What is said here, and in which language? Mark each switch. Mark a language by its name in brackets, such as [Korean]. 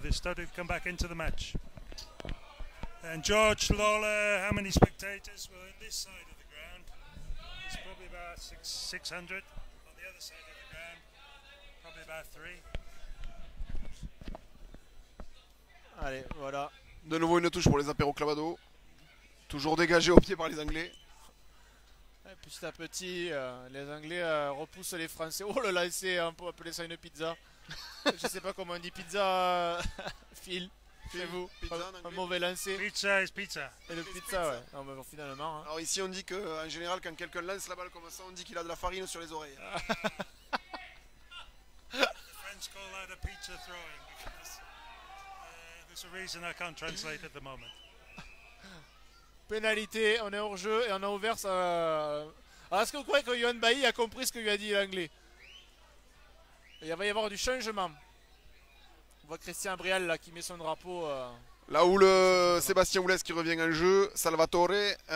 [English] They started to come back into the match. And George Lawler, how many spectators? Well, on this side of the ground, it's probably about 600. On the other side of the ground, probably about 3. [French] Allez, voilà. De nouveau une touche pour les apéros Clavado. Toujours dégagé au pied par les Anglais. Petit à petit, les Anglais repoussent les Français. Oh là là, c'est un peu appelé ça une pizza. Je sais pas comment on dit pizza, Phil. C'est vous. Pizza, un mauvais lancer. [English] Pizza is pizza. [French] Et le pizza, pizza, ouais. Non, mais finalement. Hein. Alors ici, on dit que, en général, quand quelqu'un lance la balle comme ça, on dit qu'il a de la farine sur les oreilles. [English] The French call that a pizza throwing because there's a reason I can't translate at the moment. [French] Pénalité, on est hors jeu et on a ouvert ça. Alors, est-ce que vous croyez que Johan Bailly a compris ce que lui a dit l'anglais? Il va y avoir du changement. On voit Christian Brial là qui met son drapeau. Là où le Sébastien Oulès qui revient en jeu, Salvatore.